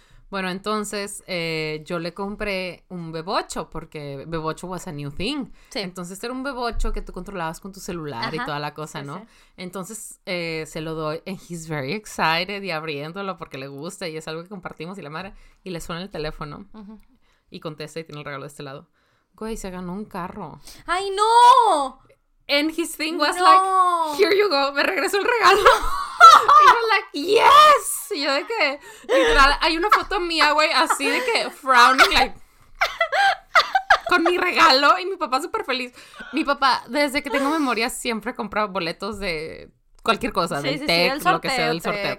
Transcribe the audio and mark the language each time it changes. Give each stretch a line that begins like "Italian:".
Spanish: Bueno, entonces, yo le compré un bebocho, porque bebocho
English: was a new thing.
Spanish: Sí. Entonces, era un bebocho que tú controlabas con tu celular y toda la cosa, sí, ¿no? Sí. Entonces, se lo doy,
English: and he's very excited,
Spanish: y abriéndolo porque le gusta, y es algo que compartimos, y la madre, y le suena el teléfono, y contesta, y tiene el regalo de este lado. Güey, se ganó un carro. ¡Ay, no!
English: And his thing was like, here you go,
Spanish: me regresó el regalo. Y yo
English: like, yes.
Spanish: Y yo de que, literal, hay una foto mía, güey, así de que
English: frowning, like,
Spanish: con mi regalo. Y mi papá súper feliz. Mi papá, desde que tengo memoria, siempre compra boletos de cualquier cosa. Sí, del sí, tech, sí, lo que sea, del sorteo.